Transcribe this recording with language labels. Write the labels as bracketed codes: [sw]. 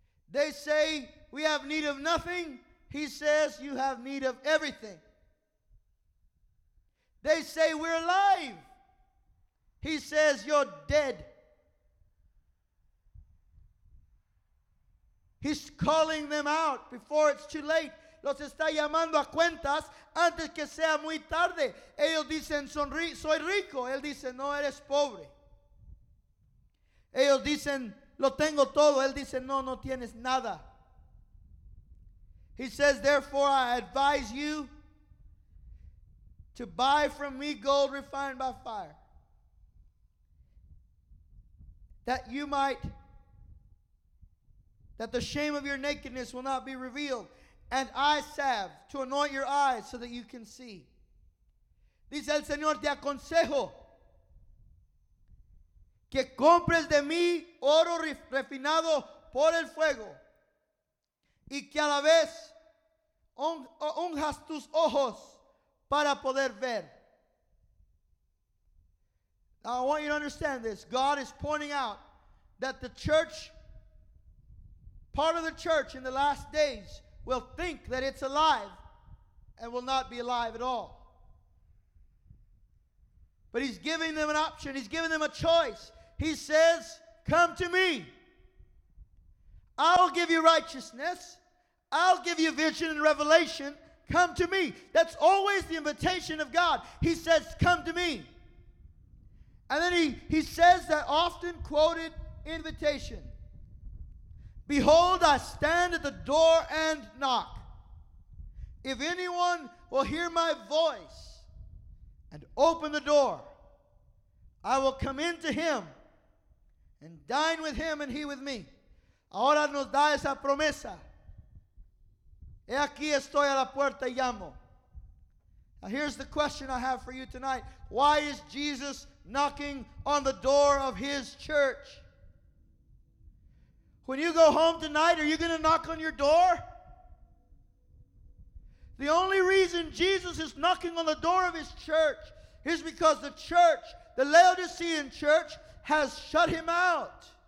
[en] They say we have need of nothing, he says you have need of everything. They say we're alive, he says you're dead. He's calling them out before it's too late. [es] Los está llamando a cuentas antes que sea muy tarde. Ellos dicen, soy rico. Él dice, no, eres pobre. Ellos dicen, lo tengo todo. Él dice, no, no tienes nada. [en] He says, therefore, I advise you to buy from me gold refined by fire, that you might that the shame of your nakedness will not be revealed, and eye salve to anoint your eyes so that you can see. [es] Dice el Señor, te aconsejo que compres de mí oro refinado por el fuego y que a la vez unjas tus ojos para poder ver. [en] Now I want you to understand this. God is pointing out that the church, part of the church in the last days, will think that it's alive and will not be alive at all. But he's giving them an option. He's giving them a choice. He says, come to me. I'll give you righteousness. I'll give you vision and revelation. Come to me. That's always the invitation of God. He says, come to me. And then he says that often quoted invitation. Behold, I stand at the door and knock. If anyone will hear my voice and open the door, I will come into him and dine with him and he with me. [es] Ahora nos da esa promesa. He aquí estoy a la puerta y llamo. [en] Now here's the question I have for you tonight. Why is Jesus knocking on the door of his church? When you go home tonight, are you going to knock on your door? The only reason Jesus is knocking on the door of his church is because the church, the Laodicean church, has shut him out.